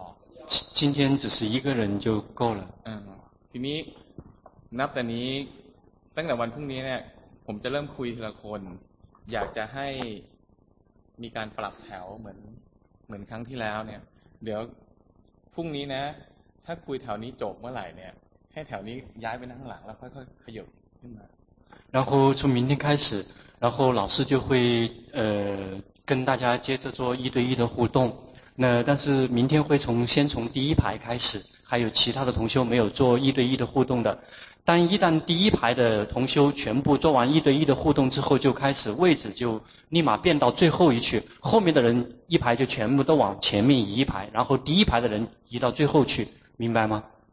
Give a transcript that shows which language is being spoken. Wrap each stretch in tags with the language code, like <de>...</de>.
<zh>อ今天只是一个人就够了</zh> <th>ทีนี้นับแต่นี้ตั้งแต่วันพรุ่งนี้เนี่ยผมจะเริ่มคุยทีละคนอยากจะให้มีการปรับแถวเหมือนครั้งที่แล้วเนี่ยเดี๋ยวพรุ่งนี้นะถ้าคุยแถวนี้จบเมื่อไหร่เนี่ยให้แถวนี้ย้ายไปนั่งหลังแล้วค่อยๆขยับขึ้นมา</th> <zh>然后从明天开始然后老师就会跟大家接着做一对一的互动那但是明天会从先从第一排开始还有其他的同修没有做一对一的互动的但一旦第一排的同修全部做完一对一的互动之后就开始位置就立马变到最后一去后面的人一排就全部都往前面移一排然后第一排的人移到最后去明白吗</zh>